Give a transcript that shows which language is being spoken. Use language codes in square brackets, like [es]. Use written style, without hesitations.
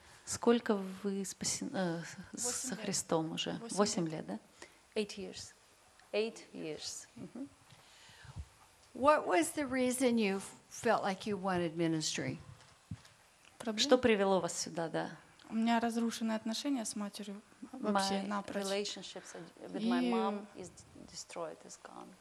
[ru] Сколько вы спасены со Христом уже? 8 лет, да? [en] 8 years. 8 years. What was the reason you felt like you wanted ministry? [ru] Что привело вас сюда, да? У меня разрушены отношения с матерью вообще напрочь. [en] My relationships with my mom is destroyed, is gone.